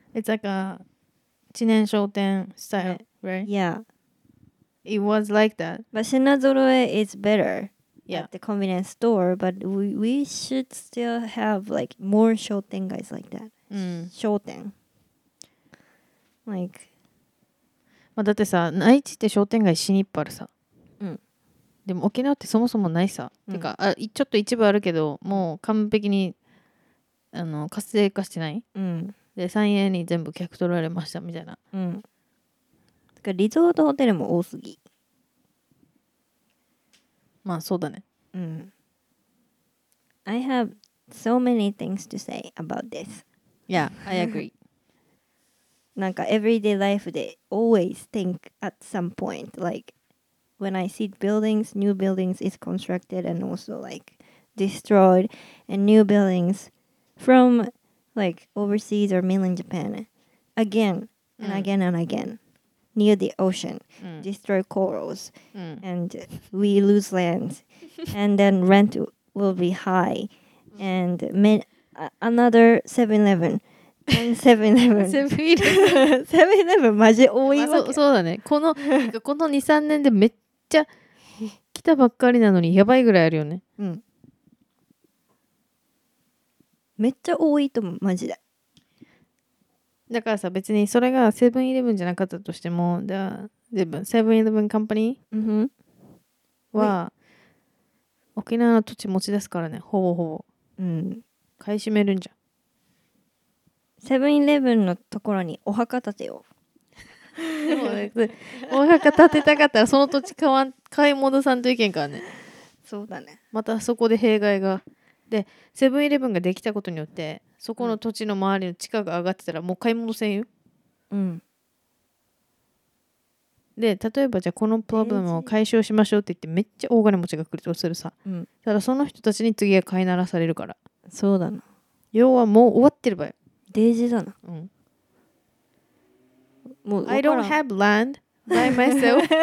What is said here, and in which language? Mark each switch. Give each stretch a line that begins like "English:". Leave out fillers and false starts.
English: It's like a 知念商店 style, right? Yeah. It was like that. But 品揃え is better、 yeah. at the convenience store, but we should still have, like, more 商店guys like that.、 Mm. 商店 Like...
Japanese: まあ、だってさ、内地って商店街死にっぱあるさ、うん、でも沖縄ってそもそもないさ、うん、てかあちょっと一部あるけどもう完璧にあの活性化してない、うん、で3円に全部客取られましたみたいな、うん、てかリゾートホテルも多すぎまあそうだね、
English: うん、I have so many things to say about this Yeah, I agree なんか everyday life で always think at some point like when I see buildings, new buildings is constructed and also like destroyed and new buildings from like overseas or mainland Japan again and、mm. again and again near the ocean、mm. destroy corals、mm. and we lose lands and then rent will be high and another 7-Eleven.
Japanese: 7-Eleven 7-Eleven マジ多いわけ、まあ、そうだねこの2、3年でめっちゃたばっかりなのにやばいぐらいあるよね。うん、めっちゃ多いと思うマジで。だからさ、別にそれがセブンイレブンじゃなかったとしても、ではセブンイレブンカンパニーは、うん、沖縄の土地持ち出すからね、ほぼほぼ、うん、買い占めるんじゃん。セブンイレブンのところにお墓建てよう。でもね、お墓建てたかったらその土地買い戻さんといけんからね。そうだね、またそこで弊害が。でセブンイレブンができたことによってそこの土地の周りの地価が上がってたらもう買い戻せんよ。うん、で例えばじゃあこのプロブレムを解消しましょうって言ってめっちゃ大金持ちが来るとするさ、うん、ただその人たちに次は飼いならされるから。そうだな、要はもう終わってるばよ。デージだな。
English: うん、もう I don't have land by myself.